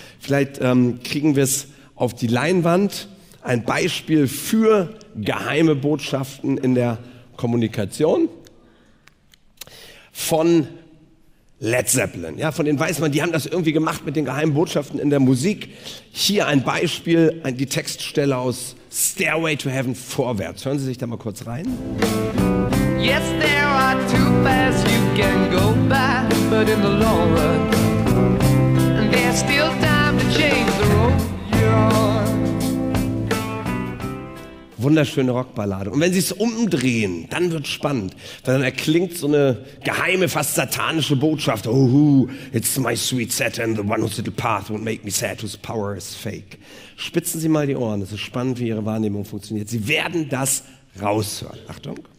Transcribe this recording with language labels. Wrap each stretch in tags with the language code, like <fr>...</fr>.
<de>Vielleicht kriegen wir es auf die Leinwand. Ein Beispiel für geheime Botschaften in der Kommunikation von Led Zeppelin. Ja, von denen weiß man, die haben das irgendwie gemacht mit den geheimen Botschaften in der Musik. Hier ein Beispiel, die Textstelle aus Stairway to Heaven vorwärts. Hören Sie sich da mal kurz rein.</de> <en>Yes, there are two paths you can go by, but in the long run, there's still time to change the road you're on.</en> <de>Wunderschöne Rockballade. Und wenn Sie es umdrehen, dann wird es spannend. Weil dann erklingt so eine geheime, fast satanische Botschaft.</de> <en>Oh, it's my sweet Satan, the one whose little path won't make me sad, whose power is fake.</en> <de>Spitzen Sie mal die Ohren. Es ist spannend, wie Ihre Wahrnehmung funktioniert. Sie werden das raushören. Achtung.</de>